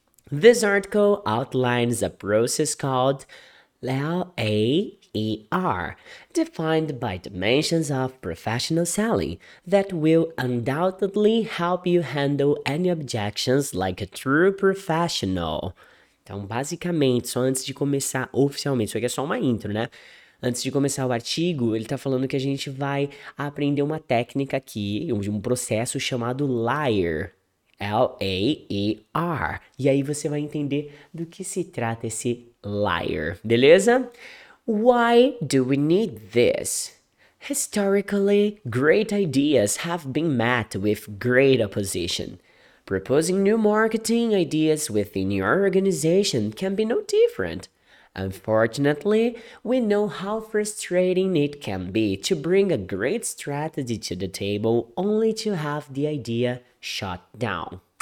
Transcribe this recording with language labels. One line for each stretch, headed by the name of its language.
English: This article outlines a process called LAER, defined by Dimensions of Professional Selling, that will undoubtedly help you handle any objections like a true professional.
Portuguese: Então, basicamente, só antes de começar oficialmente, isso aqui é só uma intro, né? Antes de começar o artigo, ele está falando que a gente vai aprender uma técnica aqui, um processo chamado LAER. LAER. E aí você vai entender do que se trata esse liar, beleza?
English: Why do we need this? Historically, great ideas have been met with great opposition. Proposing new marketing ideas within your organization can be no different. Unfortunately, we know how frustrating it can be to bring a great strategy to the table only to have the idea shot down.